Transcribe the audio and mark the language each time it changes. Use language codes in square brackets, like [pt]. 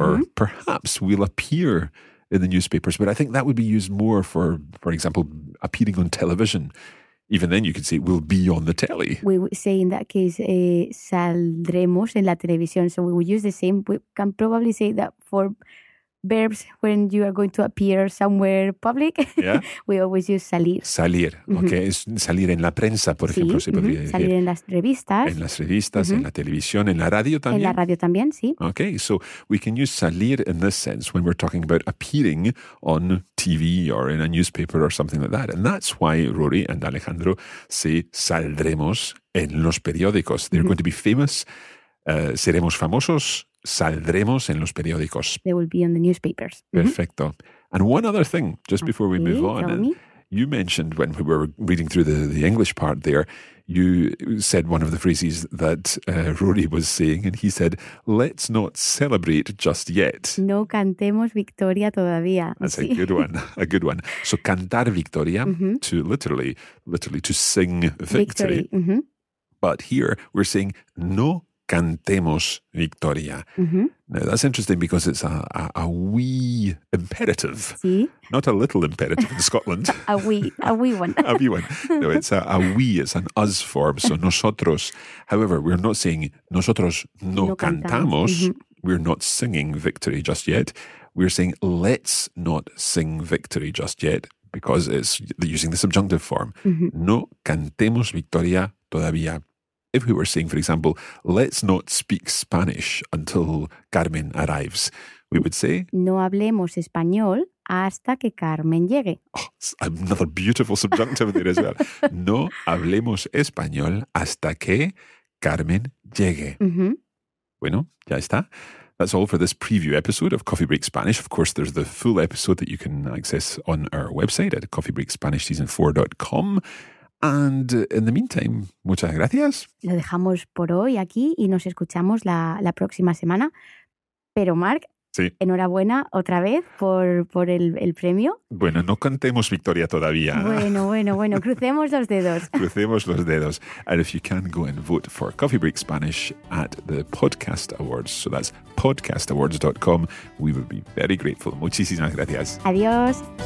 [en] or perhaps we'll appear in the newspapers. But I think that would be used more for example, appearing on television. Even then, you could say we'll be on the telly. We would say in that case, [es] saldremos en la televisión. [en] So we would use the same. We can probably say that for verbs when you are going to appear somewhere public, yeah. We always use salir. Salir, okay. Mm-hmm. [es] Salir en la prensa, por ejemplo, sí, se podría decir. Salir en las revistas. En las revistas, mm-hmm. en la televisión, en la radio también. En la radio también, sí. [en] Okay, so we can use salir in this sense when we're talking about appearing on TV or in a newspaper or something like that. And that's why Rory and Alejandro say [es] saldremos en los periódicos. [en] They're mm-hmm. going to be famous. [es] Seremos famosos. Saldremos en los periódicos. [en] They will be on the newspapers. [es] Perfecto. [en] And one other thing, just before we move on. You mentioned when we were reading through the English part there, you said one of the phrases that Rory was saying, and he said, let's not celebrate just yet. [es] No cantemos victoria todavía. [en] That's a good one, a good one. So [es] cantar victoria, [en] mm-hmm. to literally to sing victory. Mm-hmm. But here we're saying [es] no cantemos victoria. Mm-hmm. [en] Now, that's interesting because it's a wee imperative. [es] ¿Sí? [en] Not a little imperative in Scotland. a wee one. A wee one. No, it's a wee. It's an us form. So nosotros. However, we're not saying [es] nosotros no cantamos. Mm-hmm. [en] We're not singing victory just yet. We're saying let's not sing victory just yet because it's using the subjunctive form. Mm-hmm. [es] No cantemos victoria todavía. [en] If we were saying, for example, let's not speak Spanish until Carmen arrives, we would say... [es] No hablemos español hasta que Carmen llegue. [en] Oh, another beautiful subjunctive there as well. [es] No hablemos español hasta que Carmen llegue. Mm-hmm. Bueno, ya está. [en] That's all for this preview episode of Coffee Break Spanish. Of course, there's the full episode that you can access on our website at coffeebreakspanishseason4.com. And in the meantime, [es] muchas gracias. Lo dejamos por hoy aquí y nos escuchamos la próxima semana. Pero Mark, sí. Enhorabuena otra vez por el premio. Bueno, no cantemos victoria todavía. Bueno, crucemos los dedos. Crucemos los dedos. [en] And if you can, go and vote for Coffee Break Spanish at the Podcast Awards. So that's podcastawards.com. We would be very grateful. [es] Muchísimas gracias. Adiós.